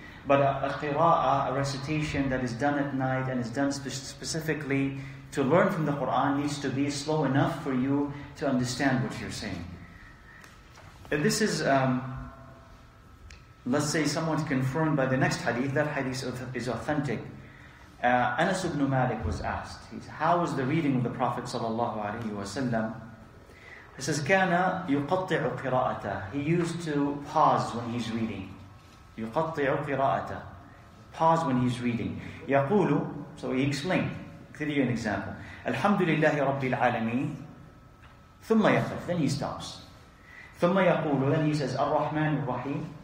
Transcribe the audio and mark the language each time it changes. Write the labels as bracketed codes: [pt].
[en] But a qira'ah, a recitation that is done at night and is done specifically to learn from the Qur'an, needs to be slow enough for you to understand what you're saying. And this is, let's say, somewhat confirmed by the next hadith. That hadith is authentic. Anas ibn Malik was asked, how was the reading of the Prophet sallallahu alayhi wa sallam? He says, [ar] كَانَ يُقَطِّعُ قِرَاءَتَ. [en] He used to pause when he's reading. [ar] يُقَطِّعُ قِرَاءَتَ. [en] Pause when he's reading. [ar] يَقُولُ. [en] So he explained. Give you an example. Alhamdulillahi Rabbil Alameen. [ar] ثُمَّ يَقِف. [en] Then he stops. [ar] ثُمَّ يَقُولُ. [en] Then he says, [ar] الرَّحْمَنُ الرَّحِيمُ.